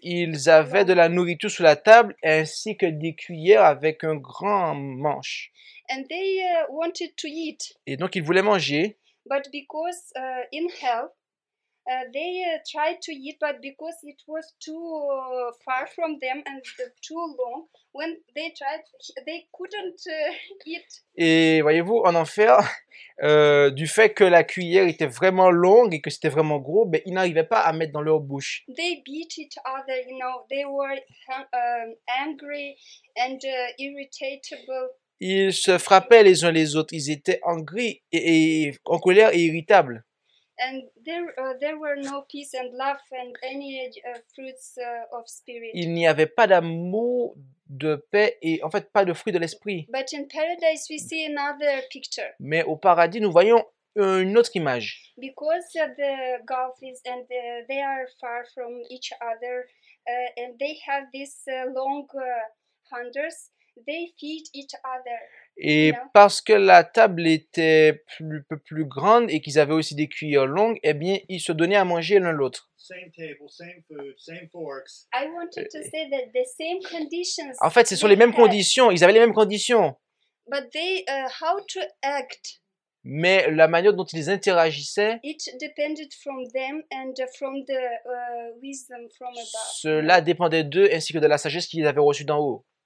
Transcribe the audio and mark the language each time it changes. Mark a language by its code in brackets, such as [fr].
[fr] Ils avaient de la nourriture sous la table ainsi que des cuillères avec un grand manche. [en] And they wanted to eat. [fr] Et donc ils voulaient manger. [en] But because in hell, they tried to eat, but because it was too far from them and too long, when they tried, they couldn't eat. [fr] Et voyez-vous, en enfer, du fait que la cuillère était vraiment longue et que c'était vraiment gros, ben, ils n'arrivaient pas à mettre dans leur bouche. [en] They beat each other, you know, they were angry and irritable. [fr] Ils se frappaient les uns les autres. Ils étaient en gris et en colère et irritables. [en] And there were no peace and love and any fruits of spirit. [fr] Il n'y avait pas d'amour, de paix et en fait pas de fruits de l'esprit. [en] But in paradise we see another picture. [fr] Mais au paradis nous voyons une autre image. [en] Because the gulf is and they are far from each other and they have this long handles. They feed each other, et you know? [fr] Parce que la table était plus grande et qu'ils avaient aussi des cuillères longues, eh bien, ils se donnaient à manger l'un l'autre. [en] Same table, same food, same forks. I wanted to say that the same conditions. [fr] En fait, ce sont les mêmes conditions. Ils avaient les mêmes conditions. [en] But they, how to act? [fr] Mais la manière dont ils interagissaient. [en] It depended from them and from the wisdom from above. [fr] Cela dépendait d'eux ainsi que de la sagesse qu'ils avaient reçue d'en haut.